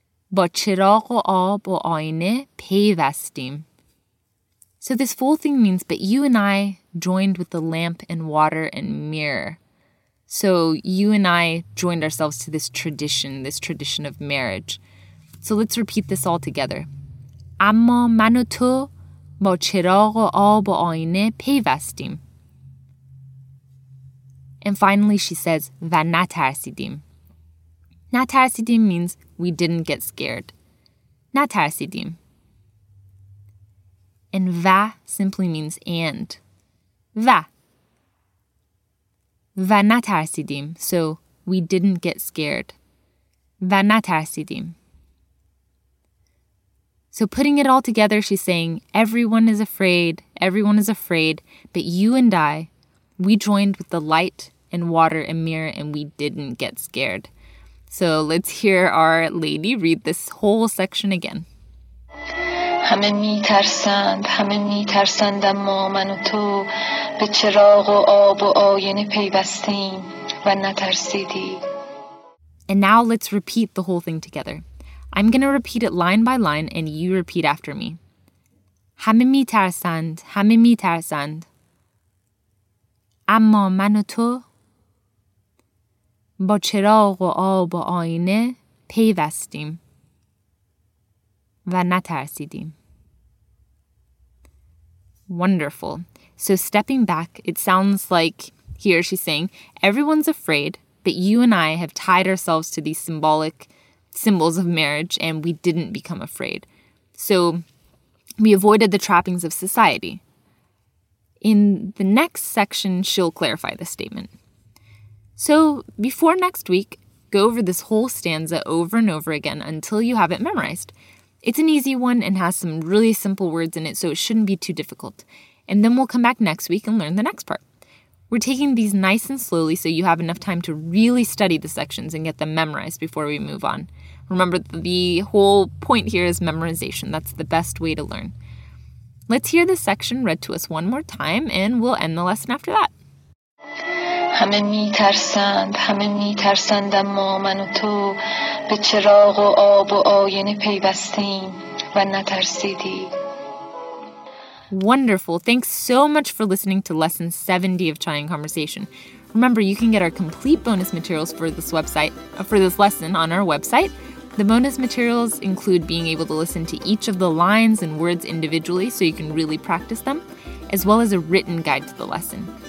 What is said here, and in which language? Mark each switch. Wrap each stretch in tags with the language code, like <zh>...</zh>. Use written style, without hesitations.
<fa>Ba chiragh o ab o ayine peyvastim.</fa> <en>So this full thing means, but you and I joined with the lamp and water and mirror. So you and I joined ourselves to this tradition of marriage. So let's repeat this all together.</en> <fa>اما من و تو با چراغ و آب و آینه پیوستیم.</fa> <en>And finally she says,</en> <fa>و نترسیدیم. نترسیدیم</fa> <en>means we didn't get scared.</en> <fa>نترسیدیم.</fa> <en>And و simply means and. و.</en> <fa>و نترسیدیم.</fa> <en>So we didn't get scared.</en> <fa>و نترسیدیم.</fa> <en>So putting it all together, she's saying, everyone is afraid, everyone is afraid, but you and I, we joined with the light and water and mirror and we didn't get scared. So let's hear our lady read this whole section again.</en> <fa>همه میترسند، همه میترسند، اما من و تو به چراغ و آب و آینه پیوستیم و نترسیدی.</fa> <en>And now let's repeat the whole thing together. I'm going to repeat it line by line and you repeat after me.</en> <fa>همه میترسند، همه میترسند، اما من و تو با چراغ و آب و آینه پیوستیم و نترسیدیم.</fa> <en>Wonderful. So stepping back, it sounds like here she's saying, everyone's afraid, but you and I have tied ourselves to these symbolic symbols of marriage and we didn't become afraid. So we avoided the trappings of society. In the next section, she'll clarify the statement. So before next week, go over this whole stanza over and over again until you have it memorized. It's an easy one and has some really simple words in it, so it shouldn't be too difficult. And then we'll come back next week and learn the next part. We're taking these nice and slowly so you have enough time to really study the sections and get them memorized before we move on. Remember, the whole point here is memorization. That's the best way to learn. Let's hear this section read to us one more time and we'll end the lesson after that.</en> <fa>همه میترسند، همه میترسند، اما من و تو به چراغ و آب و آینه پیوستیم و نترسیدی.</fa> <en>Wonderful. Thanks so much for listening to Lesson 70 of Chaiyan Conversation. Remember, you can get our complete bonus materials for this lesson on our website. The bonus materials include being able to listen to each of the lines and words individually so you can really practice them, as well as a written guide to the lesson.</en>